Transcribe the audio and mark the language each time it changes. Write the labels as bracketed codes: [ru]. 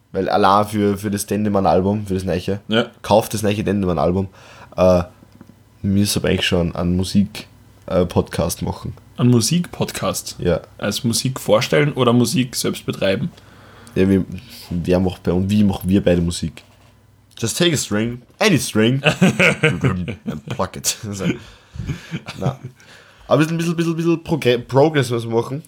[de] Weil allein für das Dendemann-Album, für das Neiche. Ja. Kauft das Neiche Dendemann-Album. Wir müssen aber eigentlich schon einen Musik-Podcast machen. Ein Musik-Podcast? Ja. Als Musik vorstellen oder Musik selbst betreiben? Ja, wer macht bei uns, wie machen wir beide Musik? [en] Just take a string, any string, and pluck it. [de] So. Na. Aber wir sind ein bisschen Progress, was wir machen.